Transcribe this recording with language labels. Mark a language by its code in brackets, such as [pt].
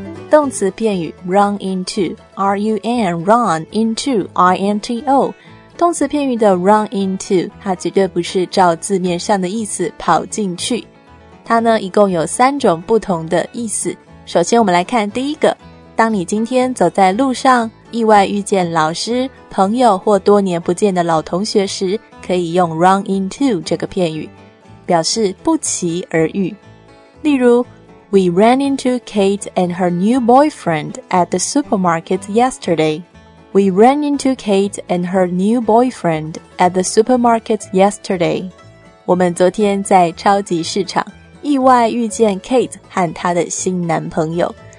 [zh] 动词片语 run into R-U-N run into I-N-T-O， 动词片语的 run into 它绝对不是照字面上的意思跑进去，它呢一共有三种不同的意思。首先我们来看第一个，当你今天走在路上意外遇见老师、朋友或多年不见的老同学时，可以用 run into 这个片语表示不期而遇。例如 [en] We ran into Kate and her new boyfriend at the supermarket yesterday. We ran into Kate and her new boyfriend at the supermarket yesterday. [zh] 我们昨天在超级市场意外遇见 Kate 和她的新男朋友。